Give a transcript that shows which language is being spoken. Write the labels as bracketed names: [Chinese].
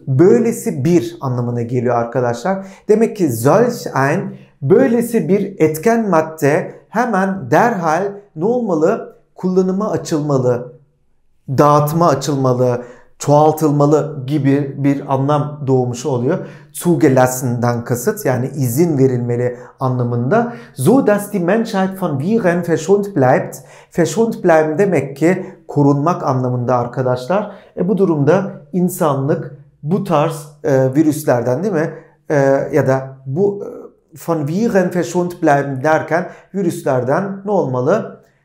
[Turkish] Böylesi bir anlamına geliyor arkadaşlar. Demek ki solch ein, böylesi bir etken madde hemen derhal ne olmalı? Kullanıma açılmalı, dağıtıma açılmalı, çoğaltılmalı gibi bir anlam doğmuş oluyor. Zugelassen'dan kasıt, yani izin verilmeli anlamında. [German] So dass die Menschheit von Viren verschont bleibt. [Turkish] Verschont bleiben demek ki korunmak anlamında arkadaşlar. Bu durumda insanlık bu tarz virüslerden, değil mi? Ya da bu [German] von Viren verschont bleiben [Turkish] derken virüslerden ne olmalı?